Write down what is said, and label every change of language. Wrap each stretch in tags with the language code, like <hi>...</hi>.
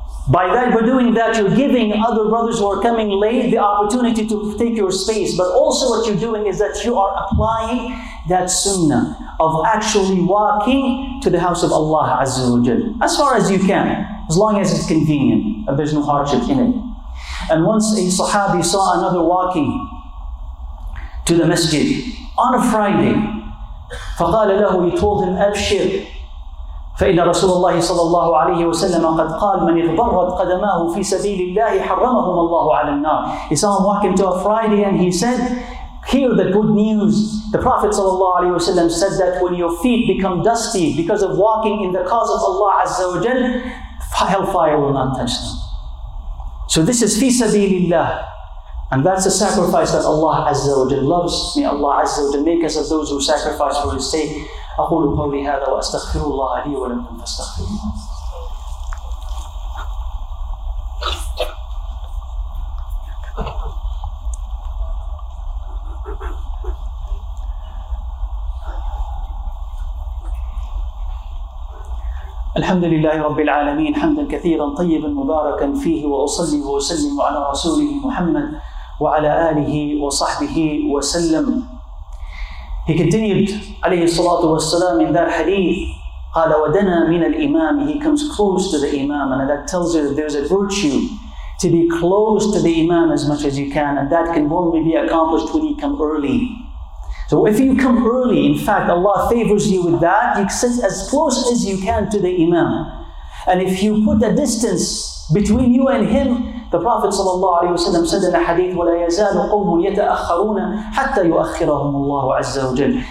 <en>By that, by doing that, you're giving other brothers who are coming late the opportunity to take your space. But also what you're doing is that you are applying that sunnah of actually walking to the house of Allah Azza wa Jalla as far as you can, as long as it's convenient and there's no hardship in it. And once a sahabi saw another walking to the masjid on a Friday,</en> <ar>فقال له,</ar> <en>he told him,</en> <ar>أبشر فإن رسول الله صلى الله عليه وسلم قد قال من اغبرت قدماه في سبيل الله حرمهم الله على النار.</ar> <en>He saw him walking to a Friday and he said, hear the good news. The Prophet صلى الله عليه وسلم said that when your feet become dusty because of walking in the cause of Allah Azza wa Jal, hellfire will not touch them. So this is fi sabilillah. And that's a sacrifice that Allah Azza wa Jalla loves. May Allah Azza wa Jalla make us of those who sacrifice for His sake.</en> <ar>أقول قولي هذا وأستغفر الله لي ولكم فاستغفروه. الحمد لله رب العالمين حمدا كثيرا طيبا مباركا فيه وأصلي وأسلم على رسوله محمد وعلى آله وصحبه وسلم.</ar> <en>He continued</en> <ar>عليه الصلاة والسلام</ar> <en>in that hadith,</en> <ar>قال ودنا من الإمام.</ar> <en>He comes close to the Imam, and that tells you that there's a virtue to be close to the Imam as much as you can, and that can only be accomplished when you come early. So if you come early, in fact, Allah favors you with that. You sit as close as you can to the Imam. And if you put a distance between you and him, the Prophet ﷺ said in a hadith,</en> <ar>وَلَا يَزَالُ قَوْمٌ يَتَأَخَّرُونَ حَتَّى يُؤَخِّرَهُمُ اللَّهُ عَزَّ وَجَلَّ.</ar>